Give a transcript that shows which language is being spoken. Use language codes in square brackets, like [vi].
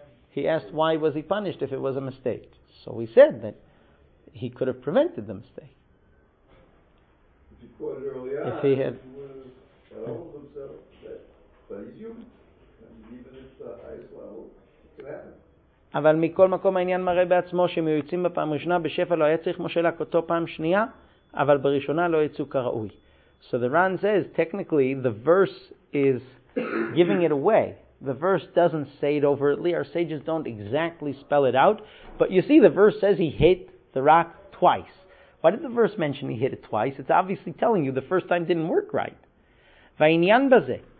[en] He asked why was he punished if it was a mistake. So we said that he could have prevented the mistake. If he caught it early on, he had all of himself that he's human. And even if the highest level, it could happen. [he] אבל מכל מקום העניין מראה בעצמו שהם יוצאים בפעם ראשונה בשפע לא היה צריך משה להקותו פעם שנייה, אבל בראשונה לא יצאו כראוי. [en] So the Ran says, technically, the verse is giving it away. The verse doesn't say it overtly. Our sages don't exactly spell it out. But you see, the verse says he hit the rock twice. Why did the verse mention he hit it twice? It's obviously telling you the first time didn't work right. [he] והעניין בזה.